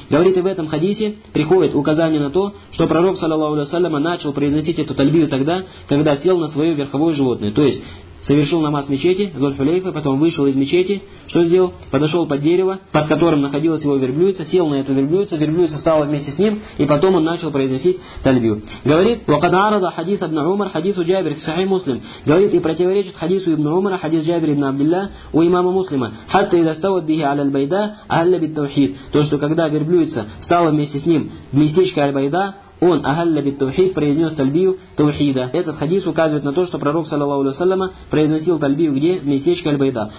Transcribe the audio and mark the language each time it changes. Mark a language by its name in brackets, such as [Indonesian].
[Russian] Говорит, и в этом хадисе приходит указание на то, что пророк, саллаллаху алейхи ва саллям, начал произносить эту тальбию тогда, когда сел на свое верховое животное. То есть совершил намаз в мечети Зуль-Хулейфы, потом вышел из мечети, что сделал? Подошел под дерево, под которым находилась его верблюдица, сел на эту верблюдицу, верблюдица стала вместе с ним, и потом он начал произносить тальбию. Говорит, [Arabic] وقد عرض حديث ابن عمر حديث جابر في صحيح مسلم. [Russian] Говорит, и противоречит хадису ибн Умара хадис Джабир ибн Абдулла у имама Муслима, [Arabic] حتى اذا استوت به على البيداء اهل بالتوحيد. [Russian] То, что когда верблюдица стала вместе с ним в местечке Аль-Байда, он [Arabic] агалля бит-таухид [Russian] произнес тальбию таухида. Этот хадис указывает на то, что пророк саллаллаху алейхи ва саллям произносил тальбию где? В местечке Аль-Байда.